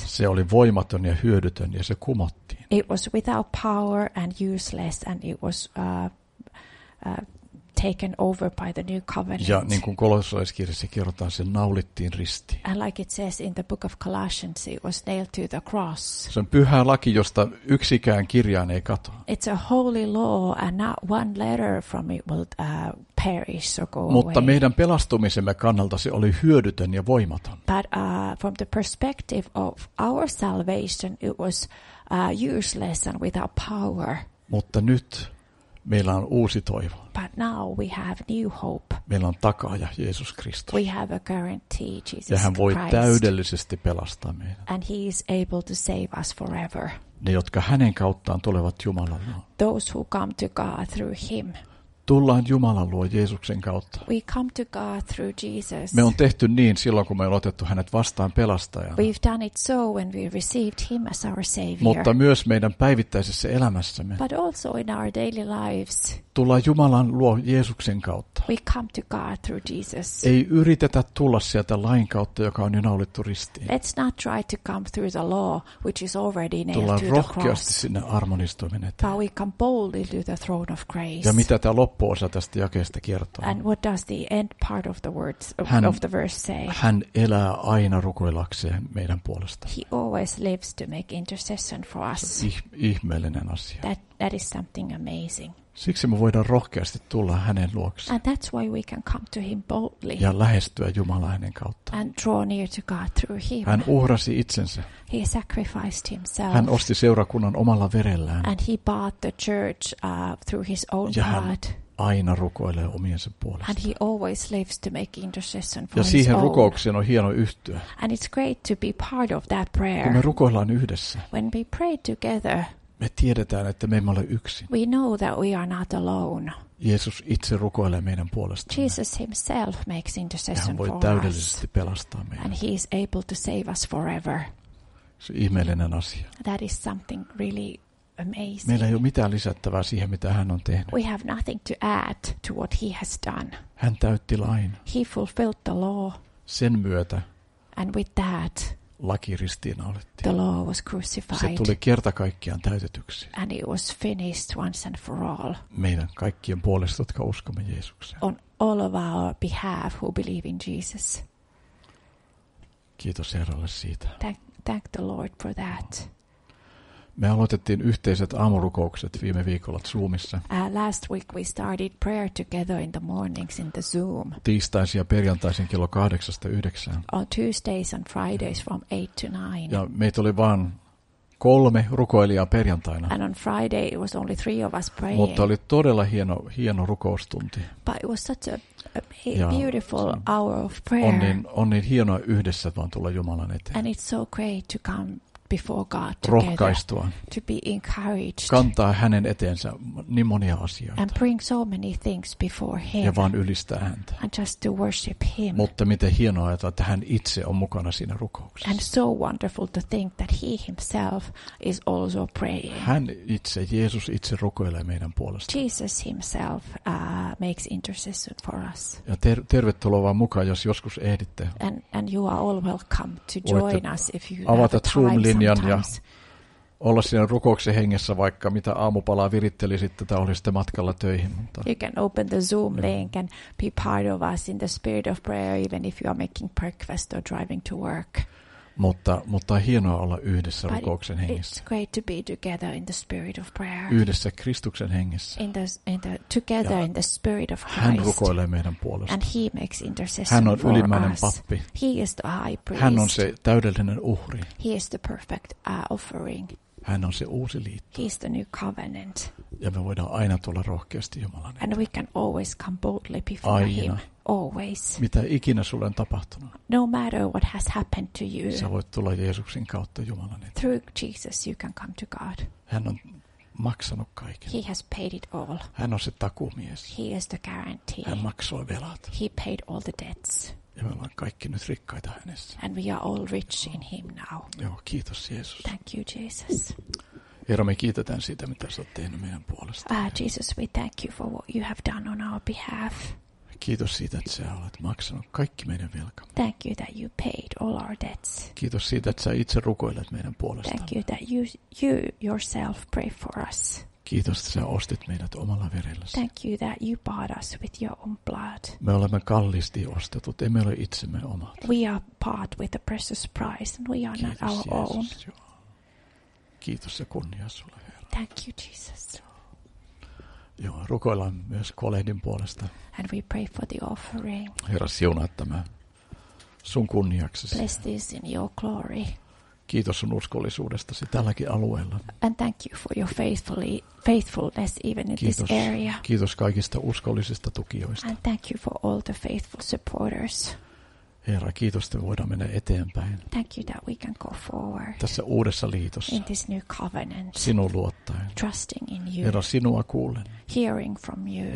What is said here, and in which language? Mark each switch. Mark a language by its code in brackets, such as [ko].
[fi] Se oli voimaton ja hyödytön ja se kumottiin. [en] It was without power and useless and it was taken over by the new covenant. [fi] Ja niin kuin Kolossalaiskirjassa kerrotaan, se naulittiin ristiin. [en] And like it says in the book of Colossians, it was nailed to the cross. [fi] Se on pyhä laki, josta yksikään kirjain ei katoa. [en] It's a holy law and not one letter from it will perish or go away. [fi] Mutta meidän pelastumisemme kannalta se oli hyödytön ja voimaton. [en] But from the perspective of our salvation, it was useless and without power. [fi] Mutta nyt meillä on uusi toivo. [en] But now we have new hope. [fi] Meillä on takaaja Jeesus Kristus. [en] We have a guarantee Jesus Christ. [fi] Ja hän voi täydellisesti pelastaa meidät. [en] And he is able to save us forever. [fi] Ne, jotka hänen kauttaan tulevat Jumalan luo. [en] Those who come to God through him. [fi] Tullaan Jumalan luo Jeesuksen kautta. [en] We come to God through Jesus. [fi] Me on tehty niin silloin, kun me on otettu hänet vastaan pelastajana. [en] We've done it so when we received him as our savior. [fi] Mutta myös meidän päivittäisessä elämässämme. [en] But also in our daily lives. [fi] Tullaan Jumalan luo Jeesuksen kautta. [en] We come to God through Jesus. [fi] Ei yritetä tulla sieltä lain kautta, joka on jo naulittu ristiin. [en] Let's not try to come through the law, which is already nailed to the [fi] cross. Tullaan rohkeasti sinne armonistuimen eteen. [en] But we come boldly to the throne of grace. [fi] Ja mitä tämä loppuosa tästä jakeesta kertoo? [en] And what does the end part of the words of the verse say? [fi] Hän elää aina rukoillakseen meidän puolesta. [en] He always lives to make intercession for us. [fi] Ihmeellinen asia. [en] That is something amazing. [fi] Siksi me voidaan rohkeasti tulla hänen luokseen. [en] And that's why we can come to him boldly. [fi] Ja lähestyä Jumalaa hänen kautta. [en] And draw near to God through him. [fi] Hän uhrasi itsensä. [en] He sacrificed himself. [fi] Hän osti seurakunnan omalla verellään. [en] And he bought the church through his own [fi] ja [en] blood. [fi] Aina rukoilee omiensa puolesta. [en] And he always lives to make intercession for [fi] ja siihen rukoukseen on hieno yhtyä. [en] And it's great to be part of that prayer. [fi] Kun me rukoillaan yhdessä. [en] When we pray together. [fi] Me tiedetään, että me emme ole yksin. [en] We know that we are not alone. [fi] Jeesus itse rukoilee meidän puolestamme. [en] Jesus himself makes intercession for us. [fi] Hän voi täydellisesti pelastaa meidät. [en] And he is able to save us forever. [fi] Se on ihmeellinen asia. [en] That is something really amazing. [fi] Meillä ei ole mitään lisättävää siihen, mitä hän on tehnyt. [en] We have nothing to add to what he has done. [fi] Hän täytti lain. [en] He fulfilled the law. [fi] Sen myötä. [en] And with that. [fi] Laki ristiinnaulittiin. [en] The law was crucified. [fi] Se tuli kerta kaikkiaan täytetyksi. [en] And it was finished once and for all. [fi] Meidän kaikkien puolesta, jotka uskomme Jeesukseen. [en] On all of our behalf who believe in Jesus. [fi] Kiitos Herralle siitä. [en] Thank the Lord for that. [fi] Me aloitettiin yhteiset aamurukoukset viime viikolla Zoomissa. [en] Last week we started prayer together in the mornings in the Zoom. [fi] Tiistaisin ja perjantaisin kello 8-9. [en] On Tuesdays and Fridays from 8-9. [fi] Ja meitä oli vain 3 rukoilijaa perjantaina. [en] And on Friday it was only 3 of us praying. [fi] Mutta oli todella hieno rukoustunti. [en] But it was such a beautiful hour of prayer. [fi] On niin hienoa yhdessä vaan tulla Jumalan eteen. [en] And it's so great to come before God together. [fi] Rohkaistua. [en] To be encouraged. [fi] Kantaa hänen eteensä niin monia asioita. [en] And bring so many things before him. [fi] Ja vaan ylistää häntä. [en] And just to worship him. [fi] Mutta miten hienoa, että hän itse on mukana siinä rukouksessa. [en] And so wonderful to think that he himself is also praying. [fi] Hän itse, Jeesus itse rukoilee meidän puolesta. [en] Jesus himself makes intercession for us. [fi] Ja tervetuloa vaan mukaan, jos joskus ehditte. [en] And you are all welcome to join us if you have the time. [fi] Linjan ja olla siinä rukouksen hengessä, vaikka mitä aamupalaa virittelisit, tätä olisitte matkalla töihin. Mutta [en] you can open the Zoom link and be part of us in the spirit of prayer, even if you are making breakfast or driving to work. [fi] Mutta on hienoa olla yhdessä [en] But [fi] rukouksen hengessä. [en] It's great to be together in the spirit of prayer. [fi] Yhdessä Kristuksen hengessä. [en] Together in the spirit of Christ. [fi] Hän rukoilee meidän puolesta. [en] And he makes intercession for us. [fi] Hän on ylimmäinen pappi. [en] He is the high priest. [fi] Hän on se täydellinen uhri. [en] He is the perfect offering. [fi] Hän on se uusi liitto. [en] He is the new covenant. [fi] Ja me voidaan aina tulla rohkeasti Jumalan eteen. [en] And we can always come boldly before [fi] aina. [en] Him. Always. [fi] Mitä ikinä sulle on tapahtunut. [en] No matter what has happened to you. [fi] Sä voit tulla Jeesuksen kautta Jumalan eteen. [en] Through Jesus you can come to God. [fi] Hän on maksanut kaiken. [en] He has paid it all. [fi] Hän on se takuumies. [en] He is the guarantee. [fi] Hän maksoi velat. [en] He paid all the debts. [fi] Ja me ollaan kaikki nyt rikkaita hänessä. [en] And we are all rich in him now. [fi] Joo, kiitos Jeesus. [en] Thank you Jesus. [fi] Herra, me kiitetään siitä, mitä sä oot tehnyt meidän puolesta. [en] Jesus, we thank you for what you have done on our behalf. [fi] Kiitos siitä, että sä olet maksanut kaikki meidän velkamme. [en] Thank you that you paid all our debts. [fi] Kiitos siitä, että sä itse rukoilet meidän puolesta. [en] Thank you that you yourself pray for us. [fi] Kiitos, että sä ostit meidät omalla verellä. [en] Thank you that you bought us with your own blood. [fi] Me olemme kalliisti ostetut, emme ole itsemme omat. [en] We are bought with a precious price and we are [fi] kiitos, [en] not our [fi] Jeesus, [en] own. [fi] Joo. Kiitos ja kunnia sulle, Herra. [en] Thank you, Jesus. [fi] Joo, rukoillaan myös kolehdin puolesta. [en] And we pray for the offering. [fi] Herra, siunaa tämä sun kunniaksesi. [en] Bless this in your glory. [fi] Kiitos sun uskollisuudestasi tälläkin alueella. [en] And thank you for your faithfulness even in [fi] kiitos, [en] this area. [fi] Kiitos kaikista uskollisista tukijoista. [en] And thank you for all the faithful supporters. [fi] Herra, kiitos, että voidaan mennä eteenpäin. [en] Thank you that we can go forward. [fi] Tässä uudessa liitossa. [en] In this new covenant. [fi] Sinua luottaen. [en] Trusting in you. [fi] Herra, sinua kuulen. [en] Hearing from you.